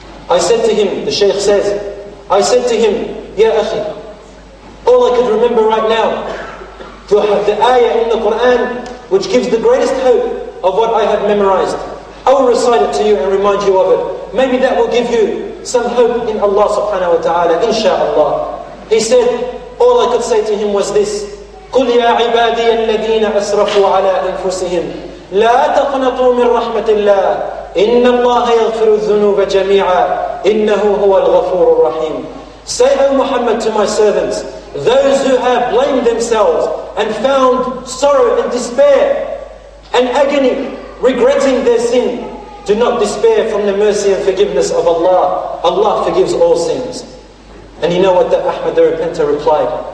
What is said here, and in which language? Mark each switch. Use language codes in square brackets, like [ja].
[en] I said to him, the Shaykh says, I said to him, Ya Akhi, all I could remember right now, the ayah in the Quran which gives the greatest hope of what I have memorized. I will recite it to you and remind you of it. Maybe that will give you some hope in Allah subhanahu wa ta'ala, insha'Allah. He said, all I could say to him was this, [ar] قُلْ يَا عِبَادِيَ الَّذِينَ أَسْرَفُوا عَلَىٰ أَنفُسِهِمْ لَا تَقْنَطُوا مِنْ رَحْمَةِ اللَّهِ إِنَّ اللَّهَ يَغْفِرُ الذُّنُوبَ جَمِيعًا إِنَّهُ هُوَ الْغَفُورُ الرَّحِيمُ. [en] Say, O Muhammad, to my servants, those who have blamed themselves and found sorrow and despair and agony, regretting their sin, do not despair from the mercy and forgiveness of Allah. Allah forgives all sins. And you know what that Ahmed the repenter replied?